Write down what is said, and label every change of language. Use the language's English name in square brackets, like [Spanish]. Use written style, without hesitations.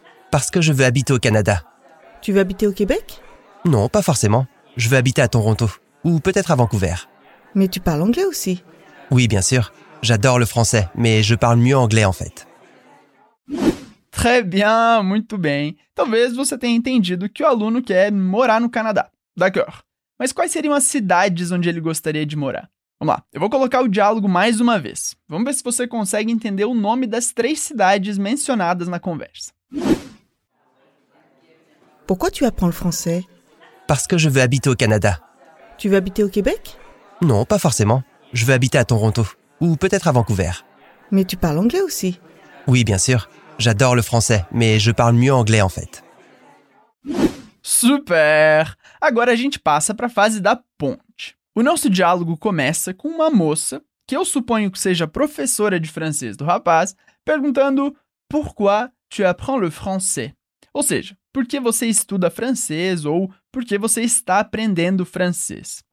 [French] Parce que je veux habiter au Canada. Tu veux habiter au Québec? Non, pas forcément. Je veux habiter à Toronto, ou peut-être à Vancouver. Mais tu parles anglais aussi? Oui, bien sûr. J'adore le français, mais je parle mieux anglais en fait. Très bien, [Portuguese] muito bem. Talvez você tenha entendido que o aluno quer morar no Canadá. [French] D'accord. [Portuguese] Mas quais seriam as cidades onde ele gostaria de morar? Vamos lá, eu vou colocar o diálogo mais uma vez. Vamos ver se você consegue entender o nome das três cidades mencionadas na conversa. [French] Pourquoi tu apprends le français? Parce que je veux habiter au Canada. Tu veux habiter au Québec? Non, pas forcément. Je veux habiter à Toronto, ou peut-être à Vancouver. Mais tu parles anglais aussi? Oui, bien sûr. J'adore le français, mais je parle mieux anglais en fait. Super! [Portuguese] Agora a gente passa para a fase da ponte. O nosso diálogo começa com uma moça, que eu suponho que seja professora de francês do rapaz, perguntando [French] pourquoi tu apprends le français? [Portuguese] Ou seja, por que você estuda francês ou por que você está aprendendo francês?